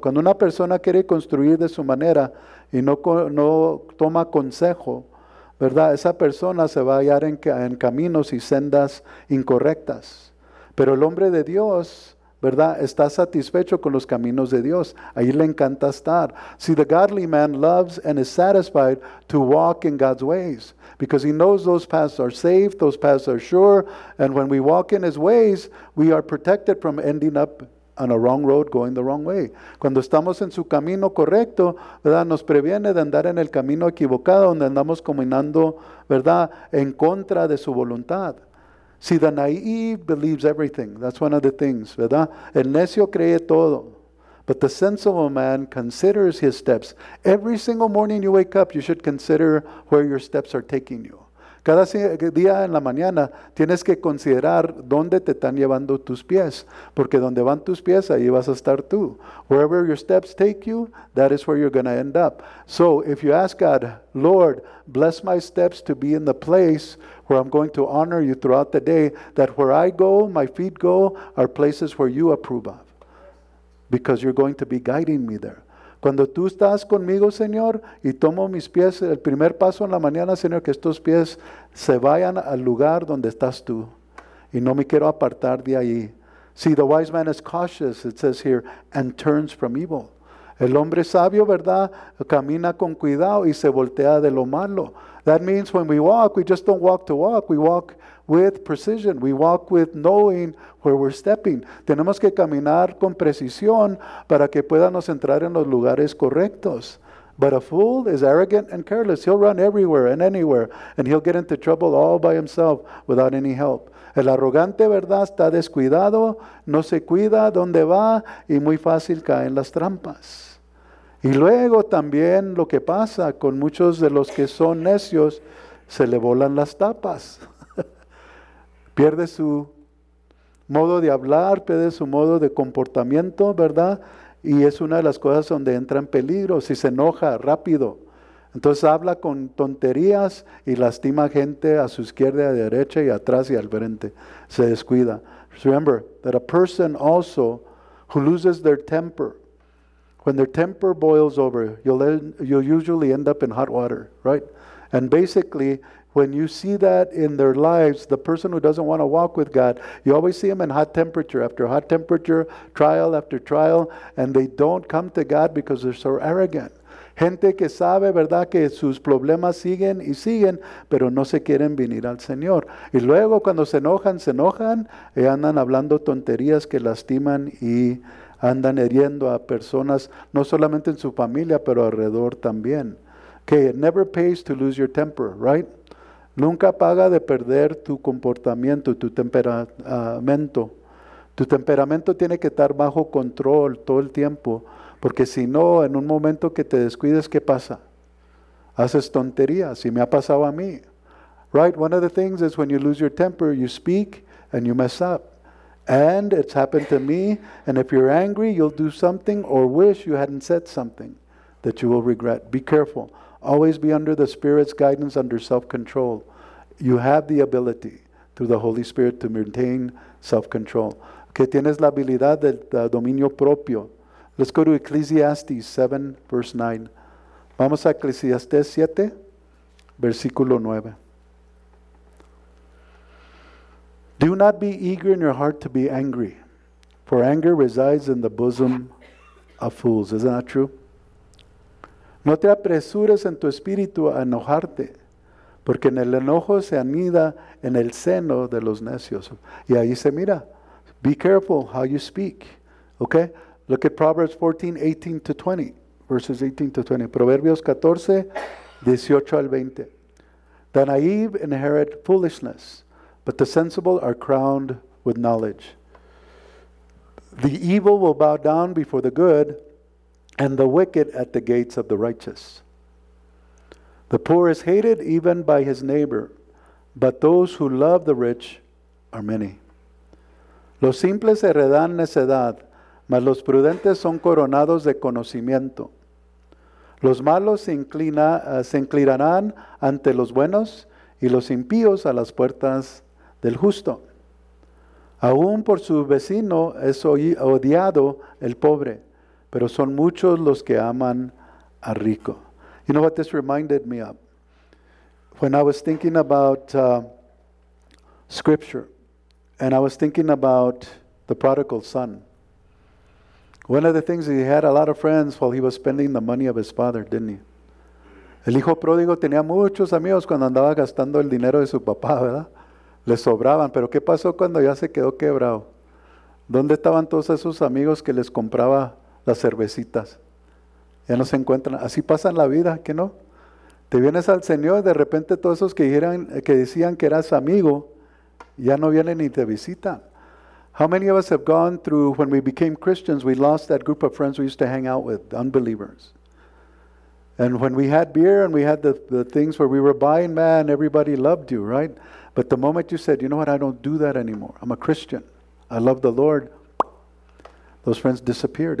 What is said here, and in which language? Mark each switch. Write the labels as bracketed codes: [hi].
[es] Cuando una persona quiere construir de su manera y no toma consejo, ¿verdad?, esa persona se va a hallar en caminos y sendas incorrectas. Pero el hombre de Dios, ¿verdad?, está satisfecho con los caminos de Dios. Ahí le encanta estar. [en] See, the godly man loves and is satisfied to walk in God's ways, because he knows those paths are safe, those paths are sure, and when we walk in His ways, we are protected from ending up on a wrong road, going the wrong way. [es] Cuando estamos en su camino correcto, ¿verdad?, nos previene de andar en el camino equivocado, donde andamos caminando, ¿verdad?, en contra de su voluntad. [en] See, the naive believes everything. That's one of the things, [es] ¿verdad? El necio cree todo. [en] But the sensible man considers his steps. Every single morning you wake up, you should consider where your steps are taking you. [es] Cada día en la mañana tienes que considerar dónde te están llevando tus pies, porque donde van tus pies, ahí vas a estar tú. [en] Wherever your steps take you, that is where you're going to end up. So if you ask God, Lord, bless my steps to be in the place where I'm going to honor you throughout the day, that where I go, my feet go, are places where you approve of, because you're going to be guiding me there. [es] Cuando tú estás conmigo, Señor, y tomo mis pies, el primer paso en la mañana, Señor, que estos pies se vayan al lugar donde estás tú. Y no me quiero apartar de ahí. [en] See, the wise man is cautious, it says here, and turns from evil. [es] El hombre sabio, ¿verdad? Camina con cuidado y se voltea de lo malo. [en] That means when we walk, we just don't walk to walk. We walk with precision. We walk with knowing where we're stepping. [es] Tenemos que caminar con precisión para que podamos entrar en los lugares correctos. [en] But a fool is arrogant and careless. He'll run everywhere and anywhere, and he'll get into trouble all by himself without any help. [es] El arrogante, ¿verdad?, está descuidado, no se cuida dónde va y muy fácil cae en las trampas. Y luego también lo que pasa con muchos de los que son necios, se le volan las tapas. Pierde su modo de hablar, pierde su modo de comportamiento, ¿verdad? Y es una de las cosas donde entra en peligro, si se enoja rápido. Entonces habla con tonterías y lastima gente a su izquierda, a derecha y atrás y al frente. Se descuida. [en] Remember that a person also who loses their temper, when their temper boils over, you'll usually end up in hot water, right? And basically, when you see that in their lives, the person who doesn't want to walk with God, you always see them in hot temperature, trial after trial, and they don't come to God because they're so arrogant. [es] Gente que sabe, ¿verdad?, que sus problemas siguen y siguen, pero no se quieren venir al Señor. Y luego cuando se enojan y andan hablando tonterías que lastiman y andan heriendo a personas, no solamente en su familia, pero alrededor también. [en] Okay, it never pays to lose your temper, right? [es] Nunca paga de perder tu comportamiento, tu temperamento. Tu temperamento tiene que estar bajo control todo el tiempo. Porque si no, en un momento que te descuides, ¿qué pasa? Haces tonterías, y me ha pasado a mí. [en] Right, one of the things is when you lose your temper, you speak and you mess up. And it's happened to me, and if you're angry, you'll do something or wish you hadn't said something that you will regret. Be careful. Always be under the Spirit's guidance, under self-control. You have the ability through the Holy Spirit to maintain self-control. [es] Que tienes la habilidad del dominio propio. [en] Let's go to Ecclesiastes 7, verse 9. [es] Vamos a Ecclesiastes 7, versículo 9. [en] Do not be eager in your heart to be angry, for anger resides in the bosom of fools. Isn't that true? [es] No te apresures en tu espíritu a enojarte, porque en el enojo se anida en el seno de los necios. Y ahí se mira. [en] Be careful how you speak. Okay? Look at Proverbs 14, 18 to 20, verses 18 to 20. [es] Proverbios 14, 18 al 20. [en] The naive inherit foolishness, but the sensible are crowned with knowledge. The evil will bow down before the good, and the wicked at the gates of the righteous. The poor is hated even by his neighbor, but those who love the rich are many. [es] Los simples heredan necedad, mas los prudentes son coronados de conocimiento. Los malos se inclinarán ante los buenos y los impíos a las puertas del justo. Aún por su vecino es odiado el pobre, pero son muchos los que aman al rico. [en] You know what this reminded me of? When I was thinking about scripture, and I was thinking about the prodigal son. One of the things, he had a lot of friends while he was spending the money of his father, didn't he? [es] El hijo pródigo tenía muchos amigos cuando andaba gastando el dinero de su papá, ¿verdad? Le sobraban, pero ¿qué pasó cuando ya se quedó quebrado? ¿Dónde estaban todos esos amigos que les compraba las cervecitas? Ya no se encuentran. Así pasa en la vida, ¿qué no? Te vienes al Señor, de repente todos esos que decían que eras amigo, ya no vienen ni te visitan. [en] How many of us have gone through, when we became Christians, we lost that group of friends we used to hang out with, unbelievers. And when we had beer and we had the things where we were buying, man, everybody loved you, right? But the moment you said, you know what, I don't do that anymore. I'm a Christian. I love the Lord. Those friends disappeared.